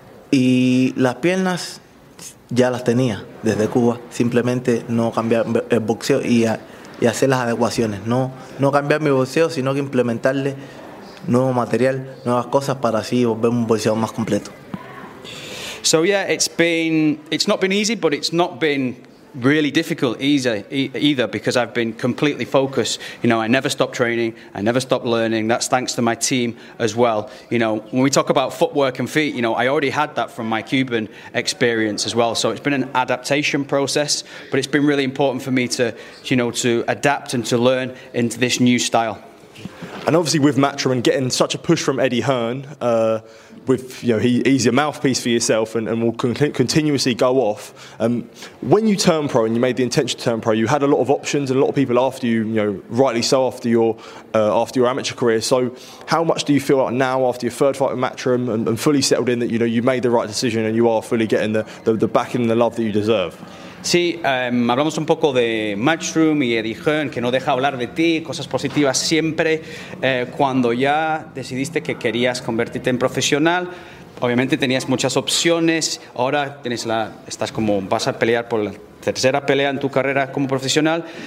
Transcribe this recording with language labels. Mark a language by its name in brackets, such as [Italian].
[Spanish] Y las piernas ya las tenía desde Cuba, simplemente no cambiar el boxeo y hacer las adecuaciones. No cambiar mi boxeo, sino que implementarle nuevo material, nuevas cosas para así volver un boxeo más completo. [English] So yeah, it's not been easy, but it's not been really difficult either because I've been completely focused. You know, I never stopped training, I never stopped learning. That's thanks to my team as well. You know, when we talk about footwork and feet, you know, I already had that from my Cuban experience as well. So it's been an adaptation process, but it's been really important for me to, you know, to adapt and to learn into this new style. And obviously with Matram and getting such a push from Eddie Hearn, with, you know, he's your mouthpiece for yourself and will continuously go off. When you turned pro and you made the intention to turn pro, you had a lot of options and a lot of people after you, you know, rightly so after your amateur career. So how much do you feel like now after your third fight with Matram and fully settled in that, you know, you made the right decision and you are fully getting the backing and the love that you deserve? [Spanish] Sí, hablamos un poco de Matchroom y Eddie Hearn, que no deja hablar de ti, cosas positivas siempre. Cuando ya decidiste que querías convertirte en profesional, obviamente tenías muchas opciones. Ahora tienes vas a pelear por la tercera pelea en tu carrera como profesional.